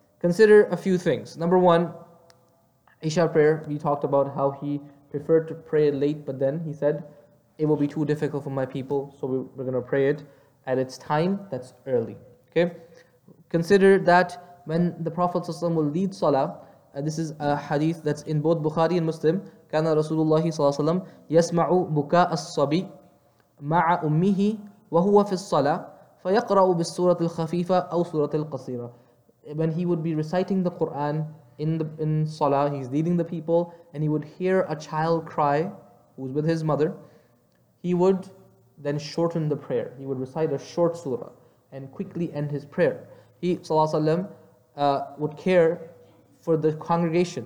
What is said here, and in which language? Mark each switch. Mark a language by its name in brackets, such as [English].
[English] Consider a few things. Number one, Isha prayer. We talked about how he preferred to pray it late, but then he said, it will be too difficult for my people, so we're going to pray it at its time, that's early. Okay. Consider that when the Prophet ﷺ will lead Salah, this is a hadith that's in both Bukhari and Muslim, [Arabic] كان رسول الله صلى الله عليه وسلم يسمع بكاء الصبي مع أمه وهو في الصلاة فيقرأ بالسورة الخفيفة أو سورة القصيرة. [English] When he would be reciting the Quran in Salah, he's leading the people, and he would hear a child cry who's with his mother, he would then shorten the prayer. He would recite a short surah and quickly end his prayer. He, [Arabic] صلى الله عليه وسلم, [English] would care for the congregation.